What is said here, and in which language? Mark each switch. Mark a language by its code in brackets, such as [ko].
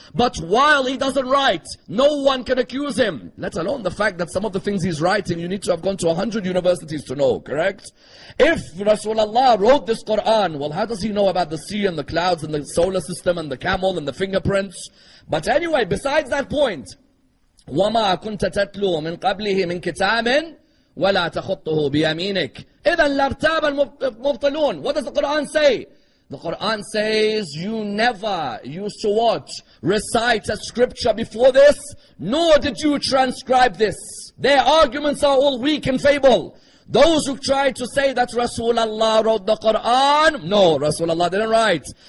[en] But while he doesn't write, no one can accuse him. Let alone the fact that some of the things he's writing, you need to have gone to 100 universities to know, correct? If Rasulullah wrote this Quran, well, how does he know about the sea and the clouds and the solar system and the camel and the fingerprints? But anyway, besides that point, [ar] وَمَا كُنْتَ تَتْلُوا مِنْ قَبْلِهِ مِنْ كِتَامٍ وَلَا تَخُطُّهُ بِيَمِينِكَ إِذَا لَرْتَابَ الْمُبْطِلُونَ [en] What does the Quran say? The Quran says, you never used to what? Recite a scripture before this, nor did you transcribe this. Their arguments are all weak and fable. Those who tried to say that Rasulullah wrote the Quran, no, Rasulullah didn't write.